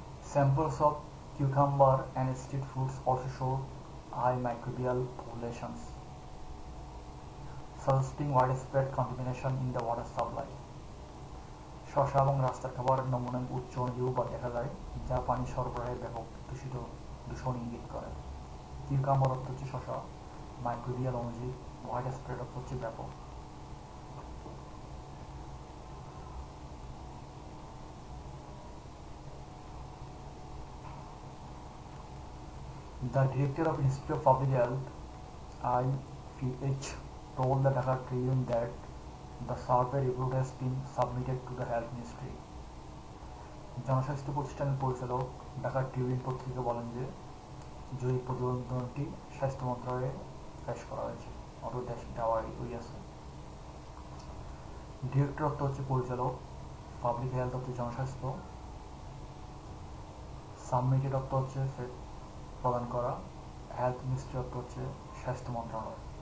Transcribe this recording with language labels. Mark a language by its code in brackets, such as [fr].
[en] Samples of cucumber and street foods also show high microbial populations, suggesting widespread contamination in the water supply. [bn] শশা এবং রাস্তার খাবারের নমুনায় উচ্চ অণুজীব বা দেখা যায়, যা পানি সরবরাহে ব্যাপক দূষিত দূষণ ইঙ্গিত করে। কিউকাম্বার অর্থ হচ্ছে শশা, মাইক্রোবিয়াল অণুজীব, widespread অর্থ হচ্ছে ব্যাপক। [en] The director of Institute of Public Health, IPH, told the Dhaka Tribune that the survey report has been submitted to the Health Ministry. [bn] জনস্বাস্থ্য প্রতিষ্ঠানের পরিচালক ঢাকা ট্রিবিউন পত্রিকা বলেন যে জরিপ প্রতিবেদনটি স্বাস্থ্য মন্ত্রণালয়ে পেশ করা হয়েছে, অর্থাৎ দেশ দেওয়ারই হইয়াছে। ডিরেক্টর অর্থ হচ্ছে পরিচালক, পাবলিক হেলথ অর্থ জনস্বাস্থ্য, সাবমিটেড অর্থ হচ্ছে প্রদান করা, হেলথ মিনিস্ট্রি অর্থ হচ্ছে স্বাস্থ্য মন্ত্রণালয়।